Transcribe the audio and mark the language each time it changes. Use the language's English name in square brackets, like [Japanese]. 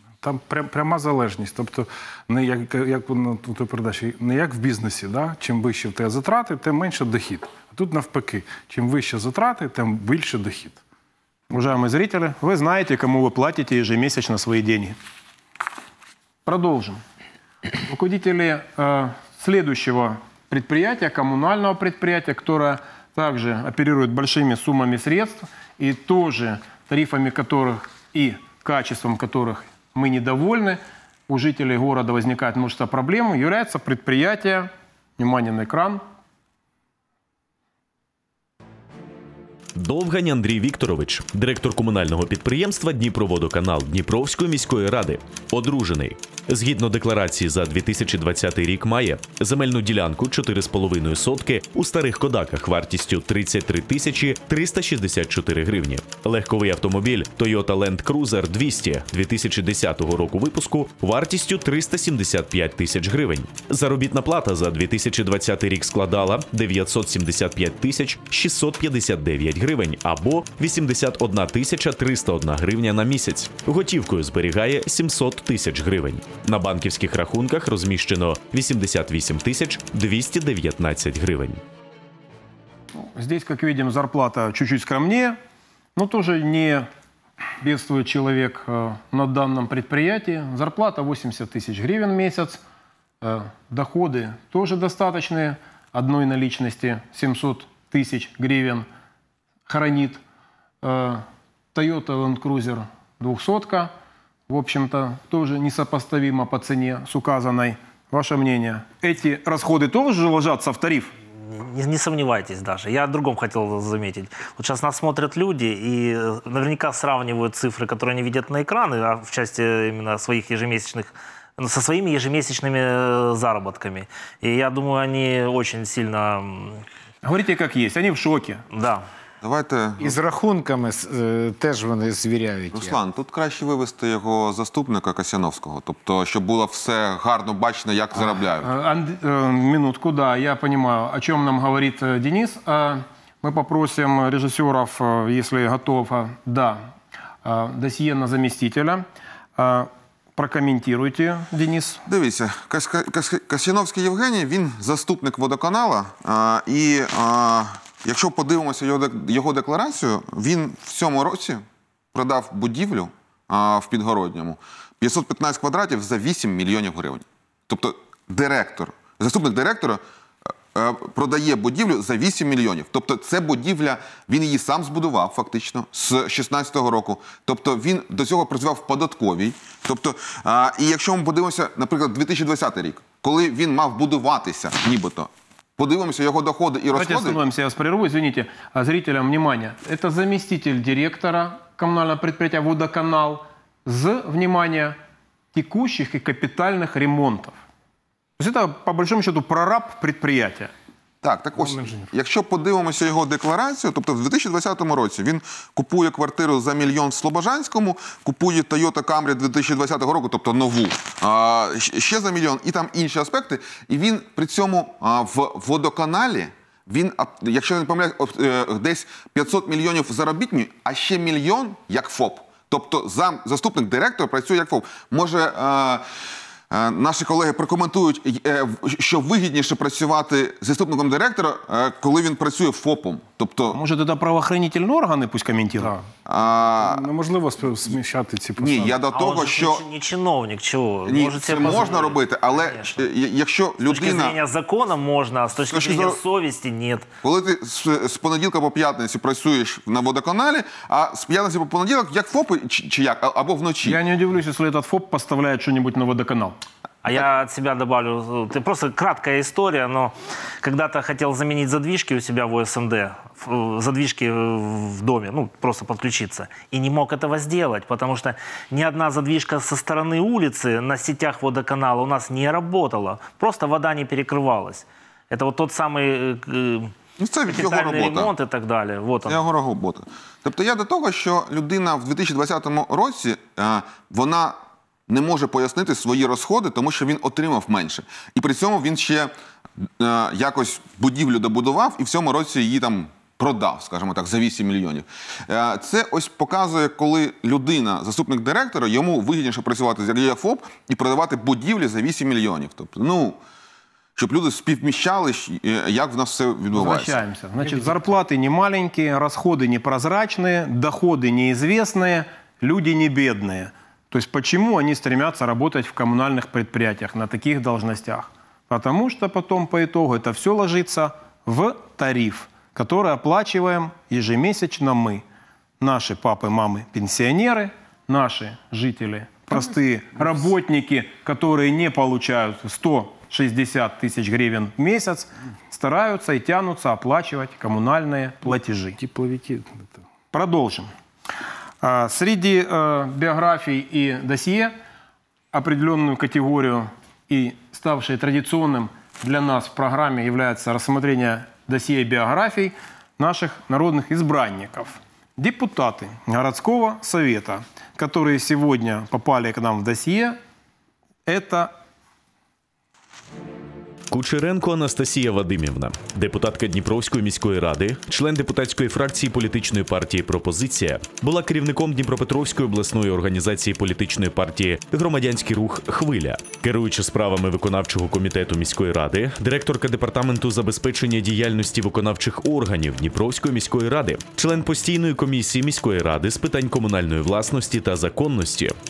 [Ukrainian] Там пряма залежність. Тобто, не як у той передачі, не як в бізнесі. Да? Чим вище в тебе затрати, тим менше дохід. А тут навпаки. Чим вище затрати, тим більше дохід. [Russian] Уважаемые зрители, [Ukrainian] ви знаєте, кому ви платите ежемесячно свої деньги. Продовжимо. [Russian] Руководители следующего предприятия, комунального предприятия, которое также оперирует большими суммами средств, и тоже тарифами которых и качеством которых мы недовольны, у жителей города возникает множество проблем, является предприятие, внимание на экран, [Ukrainian] Довгань Андрій Вікторович, директор комунального підприємства «Дніпроводоканал» Дніпровської міської ради. Одружений. Згідно декларації за 2020 рік має земельну ділянку 4,5 сотки у Старих Кодаках вартістю 33 364 гривні. Легковий автомобіль Toyota Land Cruiser 200 2010 року випуску вартістю 375 тисяч гривень. Заробітна плата за 2020 рік складала 975 тисяч 659 гривень або 81 301 гривня на місяць. Готівкою зберігає 700 тисяч гривень. На банківських рахунках розміщено 88 тисяч 219 гривень. [Russian] Здесь, как видим, зарплата чуть-чуть скромнее, но тоже не бедствует человек на данном предприятии. Зарплата 80 тысяч гривен в месяц, доходы тоже достаточные, одной наличности 700 тысяч гривен хранит. Toyota Land Cruiser 200-ка. В общем-то, тоже несопоставимо по цене с указанной. Ваше мнение, эти расходы тоже ложатся в тариф? Не сомневайтесь даже. Я о другом хотел заметить. Вот сейчас нас смотрят люди и наверняка сравнивают цифры, которые они видят на экраны, а в части именно своих ежемесячных, со своими ежемесячными заработками. И я думаю, они очень сильно... Говорите, как есть. Они в шоке. Да. Давайте [Ukrainian] із рахунками теж вони звіряють. Руслан, тут краще вивести його заступника Касяновського, тобто щоб було все гарно бачно, як заробляють. [Russian] Минутку, да, [Ukrainian] я розумію, о чому нам говорить Денис. Ми попросимо режисерів, якщо готова, да, досьє на заместителя. [Russian] Прокоментируйте, Денис. [Ukrainian] Дивіться, Касяновський Євгеній, він заступник водоканалу, і якщо подивимося його декларацію, він в цьому році продав будівлю в Підгородньому 515 квадратів за 8 мільйонів гривень. Тобто директор, заступник директора продає будівлю за 8 мільйонів. Тобто це будівля, він її сам збудував фактично з 16-го року. Тобто він до цього працював в податковій. Тобто, і якщо ми подивимося, наприклад, 2020 рік, коли він мав будуватися нібито, подивимося його доходи і розходи. [Russian] Давайте остановимося, я вас перерву, извините. Зрителям, внимание. Это заместитель директора коммунального предприятия «Водоканал» з, внимание, текущих і капітальних ремонтів. [Ukrainian] Тобто це, [Russian] по большому счету, прораб предприятия. [Ukrainian] Так ось, якщо подивимося його декларацію, тобто в 2020 році він купує квартиру за мільйон в Слобожанському, купує Toyota Camry 2020 року, тобто нову, ще за мільйон, і там інші аспекти. І він при цьому в водоканалі, він, якщо не помиляюсь, десь 500 мільйонів заробітні, а ще мільйон як ФОП. Тобто заступник директора працює як ФОП. Може... Наші колеги прокоментують, що вигідніше працювати заступником директора, коли він працює ФОПом. Тобто, може, тоді правоохоронні органи пусть коментують? Да. Неможливо сміщати ці посади. Ні, я до того, а що... не чиновник, чого? Ні, може, це можна позволити робити, але конечно, якщо людина... З точки зрения закону можна, а з точки зрения совісті – ні. Коли ти з понеділка по п'ятницю працюєш на водоканалі, а з п'ятниці по понеділок як ФОП чи як? Або вночі? Я не дивлюся, якщо цей ФОП поставляє щось на водоканал. [Russian] А так, я от себя добавлю, это просто краткая история, но когда-то хотел заменить задвижки у себя в ОСНД, задвижки в доме, ну, просто подключиться, и не мог этого сделать, потому что ни одна задвижка со стороны улицы на сетях водоканала у нас не работала, просто вода не перекрывалась. Это вот тот самый капитальный ремонт и так далее. Вот он. Его работа. [Ukrainian] Тобто я до того, что людина в 2020 році, вона не може пояснити свої розходи, тому що він отримав менше. І при цьому він ще якось будівлю добудував і в цьому році її там продав, скажімо так, за 8 мільйонів. Це ось показує, коли людина, заступник директора, йому вигідніше працювати з ЄФОП і продавати будівлі за 8 мільйонів. Тобто, ну, щоб люди співміщали, як в нас все відбувається. Звертаємося. Значить, зарплати не маленькі, розходи не прозрачні, доходи неізвісні, люди не бідні. [Russian] То есть почему они стремятся работать в коммунальных предприятиях на таких должностях? Потому что потом по итогу это все ложится в тариф, который оплачиваем ежемесячно мы. Наши папы, мамы, пенсионеры, наши жители, простые работники, которые не получают 160 тысяч гривен в месяц, стараются и тянутся оплачивать коммунальные платежи. Тепловики. Продолжим. Среди биографий и досье определенную категорию и ставшей традиционным для нас в программе является рассмотрение досье и биографий наших народных избранников. Депутаты городского совета, которые сегодня попали к нам в досье, это... [Ukrainian] Кучеренко Анастасія Вадимівна, депутатка Дніпровської міської ради, член депутатської фракції політичної партії «Пропозиція», була керівником Дніпропетровської обласної організації політичної партії «Громадянський рух «Хвиля», керуюча справами виконавчого комітету міської ради, директорка департаменту забезпечення діяльності виконавчих органів Дніпровської міської ради, член постійної комісії міської ради з питань комунальної власності та законності.